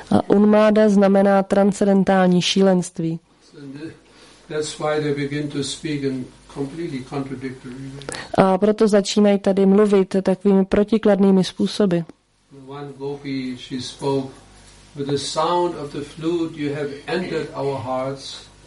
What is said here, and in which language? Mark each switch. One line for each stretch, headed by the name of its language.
Czech: A unmada znamená transcendentální šílenství.
English: That's why they begin to speak in completely contradictory ways.
Czech: A proto začínají tady mluvit takovými protikladnými způsoby.
English: One gopi, she spoke, with the sound of the flute you have entered our hearts.